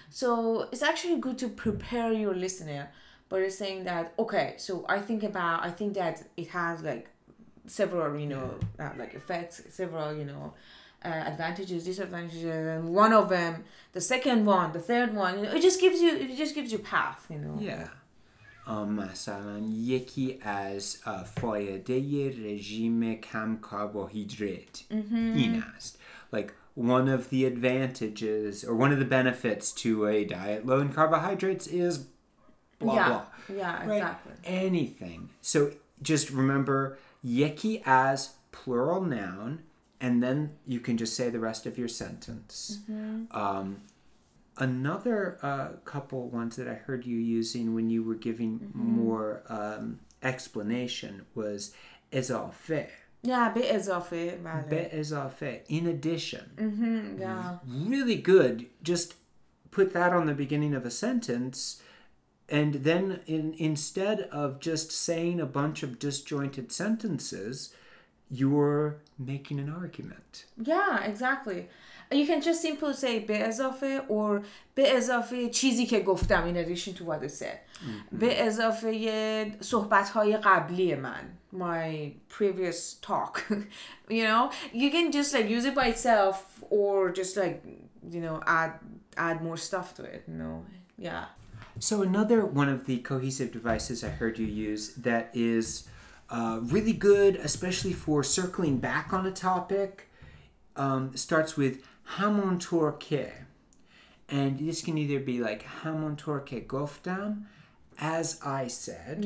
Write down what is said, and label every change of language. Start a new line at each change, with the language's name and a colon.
English: so it's actually good to prepare your listener by saying that, okay, so I think that it has like several, you know, like effects, several, you know, advantages, disadvantages, and one of them, the second one, the third one, you know, it just gives you path, you know. Yeah.
Persian: مثلا یکی از فایده رژیم کم کربوهیدرات mm-hmm. این است.
English: Like one of the advantages or one of the benefits to a diet low in carbohydrates is blah yeah. blah. Yeah, right? Exactly. Anything. So just remember یکی as plural noun, and then you can just say the rest of your sentence. Mm-hmm. Another couple ones that I heard you using when you were giving mm-hmm. more explanation was ezafe. Yeah, be ezafe. Be ezafe. In addition. Mm-hmm, yeah. Really good. Just put that on the beginning of a sentence. And then instead of just saying a bunch of disjointed sentences, you're making an argument. Yeah, exactly. You can just simply say be ezafe or be ezafe
Persian: چیزی که گفتم,
English: in addition to what I said.
Persian: به اضافه صحبت‌های قبلی من,
English: my previous talk. You know, you can just like use it by itself or just like, you know, add more stuff to it, you know. Yeah. So another one of the cohesive devices I heard you use that is really good, especially for circling back on a topic, starts with hamon torque, and this can either be like
Persian: hamon torque goftam,
English: as I said,